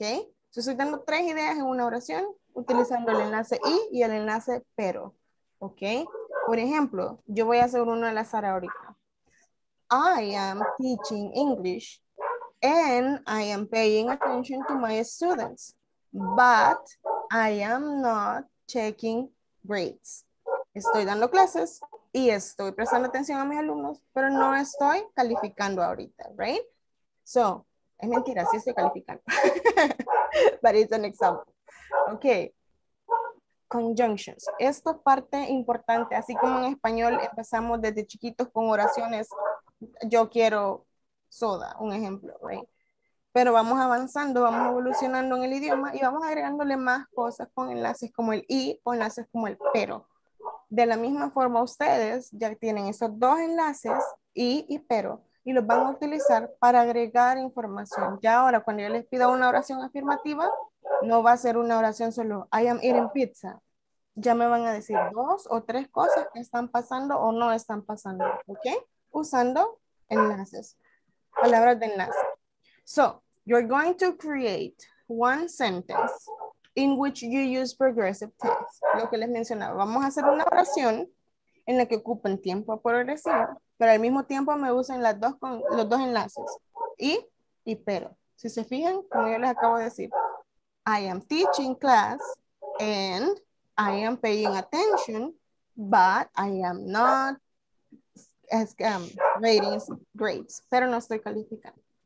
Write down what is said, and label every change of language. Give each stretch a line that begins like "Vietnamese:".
Spanish: Yo estoy dando tres ideas en una oración utilizando el enlace y el enlace pero, ¿ok? Por ejemplo, yo voy a hacer uno al azar ahorita.
English: I am teaching English and I am paying attention to my students, but I am not checking grades.
Spanish: Estoy dando clases y estoy prestando atención a mis alumnos, pero no estoy calificando ahorita, right?
English: So,
Spanish: es mentira, sí estoy calificando.
English: But it's an example. Okay. Conjunctions.
Spanish: Esta parte importante, así como en español empezamos desde chiquitos con oraciones, yo quiero soda, un ejemplo, right? Pero vamos avanzando, vamos evolucionando en el idioma y vamos agregándole más cosas con enlaces como el y o enlaces como el pero. De la misma forma, ustedes ya tienen esos dos enlaces, y pero, y los van a utilizar para agregar información. Ya ahora, cuando yo les pido una oración afirmativa, no va a ser una oración solo,
English: I am eating pizza.
Spanish: Ya me van a decir dos o tres cosas que están pasando o no están pasando, ¿ok? Usando enlaces, palabras de enlace.
English: So, you're going to create one sentence in which you use progressive tense.
Spanish: Lo que les mencionaba, vamos a hacer una oración en la que ocupen tiempo progresivo, pero al mismo tiempo me usen las dos con, los dos enlaces, y pero. Si se fijan, como yo les acabo de decir,
English: I am teaching class and I am paying attention, but I am not rating grades,
Spanish: pero no estoy calificando.